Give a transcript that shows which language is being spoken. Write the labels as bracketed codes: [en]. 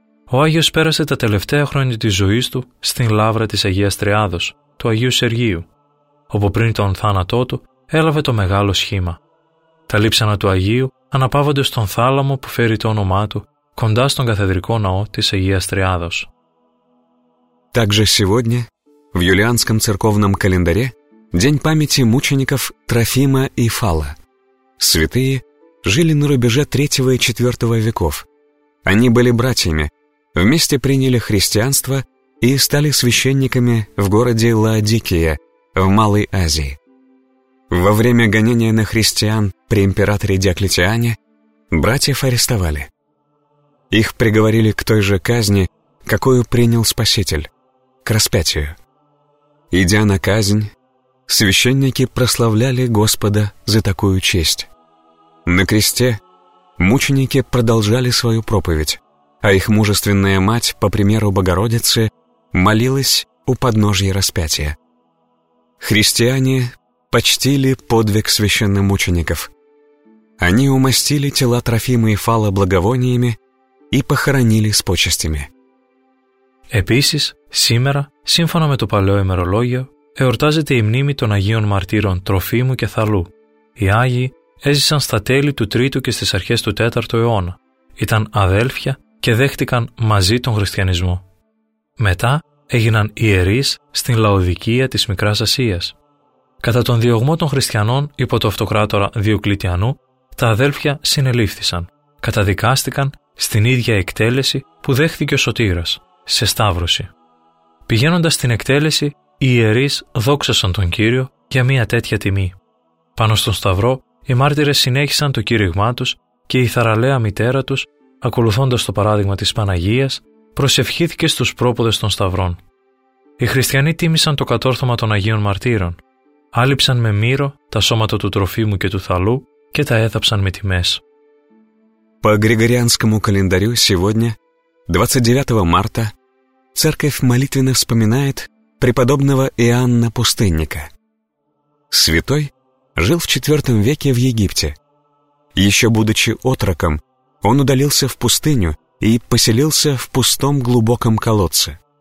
[el] Ο Άγιος πέρασε τα τελευταία χρόνια της ζωής του στην λαύρα της Αγίας Τριάδος, του Αγίου Σεργίου, όπου πριν τον θάνατό του έλαβε το μεγάλο σχήμα. Τα λείψανα του Αγίου αναπαύονται στον θάλαμο που φέρει το όνομά του κοντά στον καθεδρικό ναό της Αγίας Τριάδος. [ru] Также сегодня в юлианском церковном календаре день памяти мучеников Трофима и Фала. Святые жили на рубеже 3 и 4 веков. Они были братьями, вместе приняли христианство и стали священниками в городе Лаодикия в Малой Азии. Во время гонения на христиан при императоре Диоклетиане братьев арестовали. Их приговорили к той же казни, какую принял Спаситель, к распятию. Идя на казнь, священники прославляли Господа за такую честь. На кресте мученики продолжали свою проповедь, а их мужественная мать, по примеру Богородицы, молилась у подножья распятия. Христиане почтили подвиг священномучеников. Они умастили тела Трофима и Фала благовониями и похоронили с почестями. [el] Επίσης, σήμερα, σύμφωνα με το παλαιό ημερολόγιο, εορτάζεται η μνήμη των Αγίων Μαρτύρων Τροφίμου και Θαλού. Οι Άγιοι έζησαν στα τέλη του 3ου και στις αρχές του 4ου αιώνα. Ήταν αδέλφια και δέχτηκαν μαζί τον χριστιανισμό. Μετά έγιναν ιερείς στην Λαοδικία της Μικράς Ασίας. Κατά τον διωγμό των χριστιανών υπό το αυτοκράτορα Διοκλητιανού, τα αδέλφια συνελήφθησαν. Καταδικάστηκαν στην ίδια εκτέλεση που δέχθηκε ο Σωτήρας, σε Σταύρωση. Πηγαίνοντας στην εκτέλεση, οι ιερείς δόξασαν τον Κύριο για μια τέτοια τιμή. Πάνω στον Σταυρό, οι μάρτυρες συνέχισαν το κήρυγμά τους και η θαραλέα μητέρα τους, ακολουθώντας το παράδειγμα της Παναγίας, προσευχήθηκε στους πρόποδες των Σταυρών. Οι χριστιανοί τίμησαν το κατόρθωμα των Αγίων Μαρτύρων, άλυψαν με μύρο τα σώματα του Τροφίμου και του Θαλού και τα έθαψαν με τιμές. [ru] По Григорианскому календарю сегодня, 29 марта, церковь молитвенно вспоминает преподобного Иоанна Пустынника. Святой жил в IV веке в Египте. Еще будучи отроком, он удалился в пустыню и поселился в пустом глубоком колодце.